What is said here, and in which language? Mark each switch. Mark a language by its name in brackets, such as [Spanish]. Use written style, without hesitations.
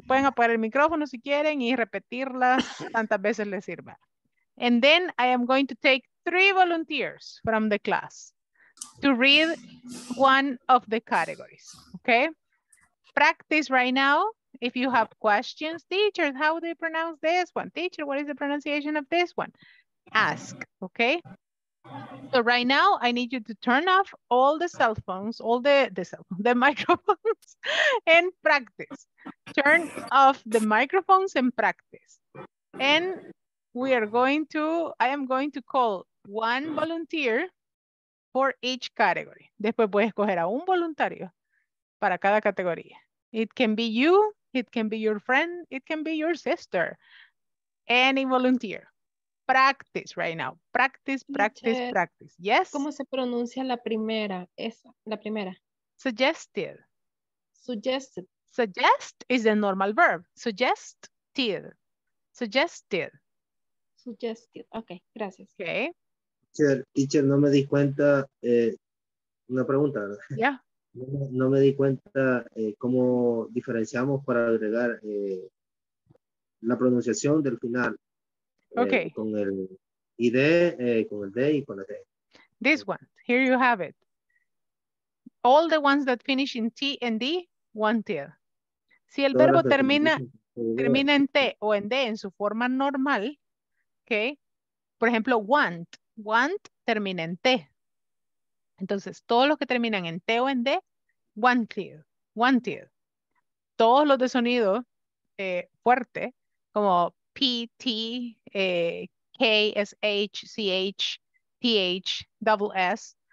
[Spanish] Pueden apagar el micrófono si quieren y repetirlas tantas veces les sirva. [English] And then I am going to take three volunteers from the class to read one of the categories, okay? Practice right now. If you have questions, teachers, how do you pronounce this one? Teacher, what is the pronunciation of this one? Ask, okay? So right now, I need you to turn off all the cell phones, all the cell phones, the microphones, and practice. Turn off the microphones and practice. And we are going to, I am going to call one volunteer for each category. [Spanish] Después voy a escoger a un voluntario para cada categoría. [English] It can be you, it can be your friend, it can be your sister, any volunteer. Practice right now. Practice, practice, teacher, practice. Yes. [Spanish] ¿Cómo se pronuncia la primera? Esa, la primera. [English] Suggested. Suggested. Suggest is the normal verb. Suggested. Suggested. Suggested. Okay, [Spanish] gracias. [English] Okay. [Spanish] Teacher, no me di cuenta. Una pregunta. [English] Yeah. [Spanish] No me di cuenta cómo diferenciamos para agregar la pronunciación del final. [English] Okay. [Spanish] Con el ID, con el D y con el D. [English] This one, here you have it. All the ones that finish in T and D, one tier. [Spanish] Si el verbo termina en T o en D en su forma normal, okay, por ejemplo, want, want termina en T. Entonces, todos los que terminan en T o en D, one tier, one tier. Todos los de sonido fuerte, como P, T, K, S, H, C, H, T, H, double S.